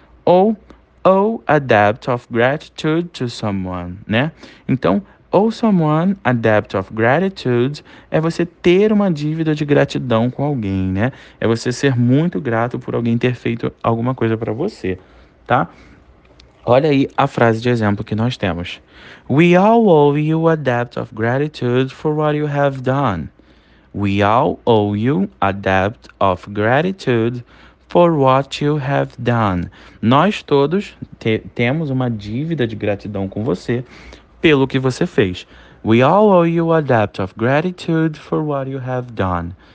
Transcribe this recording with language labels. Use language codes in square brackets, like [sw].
[en] Ou owe a debt of gratitude to someone, né? [pt] Então, [en] owe someone a debt of gratitude [pt] é você ter uma dívida de gratidão com alguém, né? É você ser muito grato por alguém ter feito alguma coisa para você, tá? Olha aí a frase de exemplo que nós temos. [en] We all owe you a debt of gratitude for what you have done. We all owe you a debt of gratitude for what you have done. [pt] Nós todos temos uma dívida de gratidão com você pelo que você fez. [en] We all owe you a debt of gratitude for what you have done.